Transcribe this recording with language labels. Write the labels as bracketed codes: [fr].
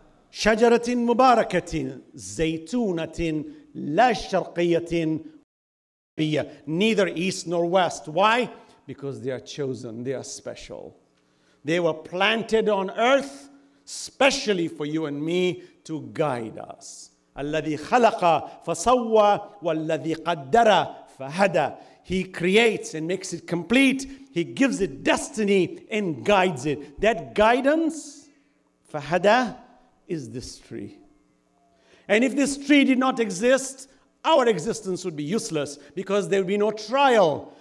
[ar] شجرة مباركة زيتونة لا شرقية غربية. [en] Neither east nor west. Why? Because they are chosen. They are special. They were planted on earth specially for you and me to guide us. [ar] الذي خلق فصوى والذي قدر فهدى. [en] He creates and makes it complete. He gives it destiny and guides it. That guidance, فهدى, is this tree. And if this tree did not exist, our existence would be useless because there would be no trial.